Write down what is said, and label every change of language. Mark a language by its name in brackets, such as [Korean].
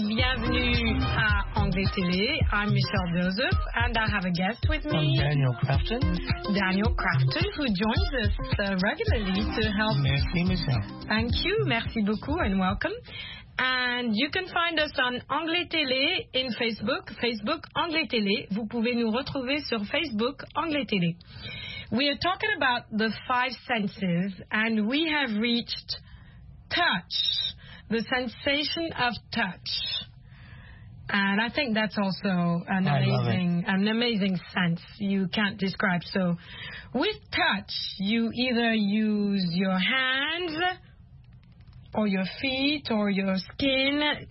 [French] Bienvenue à Anglais Télé. [English] I'm Michelle Joseph, and I have a guest with me. I'm Daniel Grafton. Daniel Grafton, who joins us regularly to help. [French] Merci, Michelle. [English] Thank you. [French] Merci beaucoup, [English] and welcome. And you can find us on Anglais Télé in Facebook. Facebook Anglais Télé. [French] Vous pouvez nous retrouver sur Facebook Anglais Télé. [English] We are talking about the five senses, and we have reached touch, the sensation of touch. And I think that's also an amazing sense you can't describe. So with touch, you either use your hands or your feet or your skin.